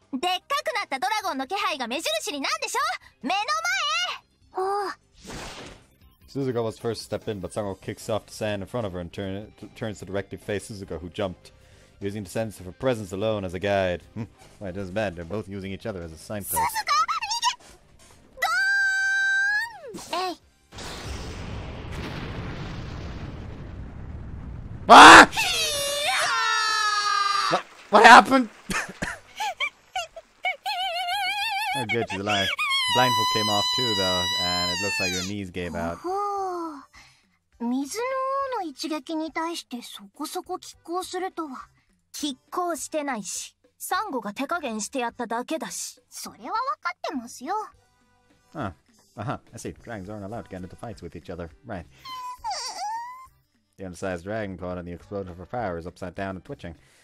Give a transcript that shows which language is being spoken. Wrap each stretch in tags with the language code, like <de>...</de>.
<ja>でっかくなったドラゴンの気配が目印になんでしょ。目の前。おお。</ja> <en>Suzuka was first to step in, but Sango kicks off the sand in front of her and turns to directly face Suzuka, who jumped, using the sense of her presence alone as a guide. Why, it doesn't matter, they're both using each other as a signpost.</en> <ja>Suzuka, 逃げ！ドーン！えい。あ！いやー！</ja> <en>What happened? Oh, good, she's alive. Blindfold came off too, though, and it looks like your knees gave out.</en> <ja>Oh,水の王の一撃に対してそこそこ拮抗するとは。拮抗してないし、サンゴが手加減してやっただけだし。それは分かってますよ。</ja> <en>I see. Dragons aren't allowed to get into fights with each other. Right. The undersized dragon caught in the explosion of her power is upside down and twitching.</en>